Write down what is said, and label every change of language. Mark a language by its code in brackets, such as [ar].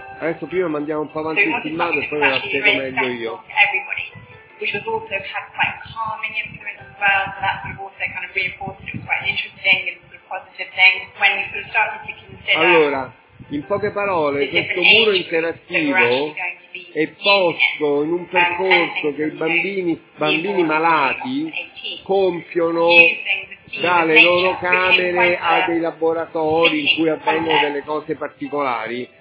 [it] Adesso prima mandiamo un po' avanti il filmato e poi ve la spiego meglio io. [en] Which has also had quite a calming influence as well, so that sort of also kind of reinforced it was quite an interesting and sort of positive thing when we sort of started to consider. [it] Allora. In poche parole, questo muro interattivo è posto in un percorso che i bambini malati compiono dalle loro camere a dei laboratori in cui avvengono delle cose particolari.